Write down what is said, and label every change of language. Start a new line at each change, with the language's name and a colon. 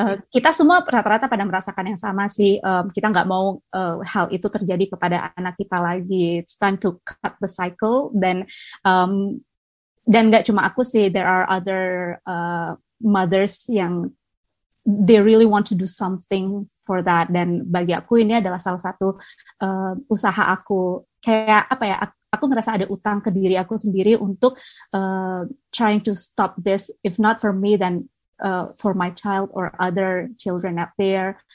Indonesian: Kita semua rata-rata pada merasakan yang sama sih. Kita gak mau hal itu terjadi kepada anak kita lagi.
English: It's time to cut the cycle.
Indonesian: Dan gak cuma aku sih,
English: there are other mothers yang they really want to do something for that.
Indonesian: Dan bagi aku ini adalah salah satu usaha aku. Kayak apa ya, aku ngerasa ada utang ke diri aku sendiri untuk
English: trying to stop this. If not for me, then for my child or other children out there.